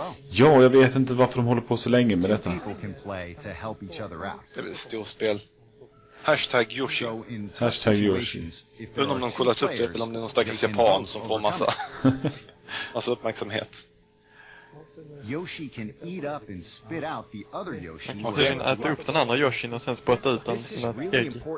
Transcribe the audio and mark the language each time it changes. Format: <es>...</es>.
<sv>Ja, jag vet inte varför de håller på så länge med detta. Det är väl ett stort spel. Hashtag Yoshi. Hashtag Yoshi. Undra om de kollat upp det eller om det är någon stackars japan som får massa, massa uppmärksamhet.</sv> <en>Yoshi can eat up and spit out the other Yoshi.</en> <sv>Man kan äta upp den andra Yoshin och sen spotta ut den som ett ägg.</sv>